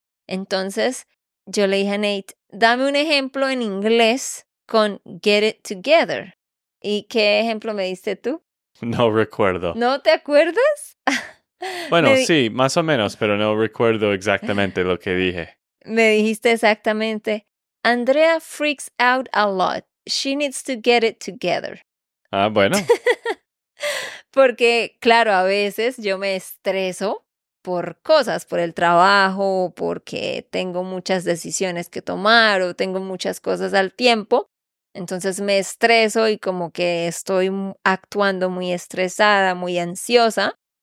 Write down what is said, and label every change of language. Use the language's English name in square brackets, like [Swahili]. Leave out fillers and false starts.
[Spanish] Entonces, yo le dije a Nate, dame un ejemplo en inglés con [English] get it together. [Spanish] ¿Y qué ejemplo me diste tú? No recuerdo. ¿No te acuerdas? Bueno, sí, más o menos, pero no recuerdo exactamente lo que dije. Me dijiste exactamente, [English] Andrea freaks out a lot. She needs to get it together. [Spanish] Ah, bueno. Porque, claro, a veces yo me estreso por cosas, por el trabajo, porque tengo muchas decisiones que tomar o tengo muchas cosas al tiempo. Entonces me estreso y como que estoy actuando muy estresada, muy ansiosa.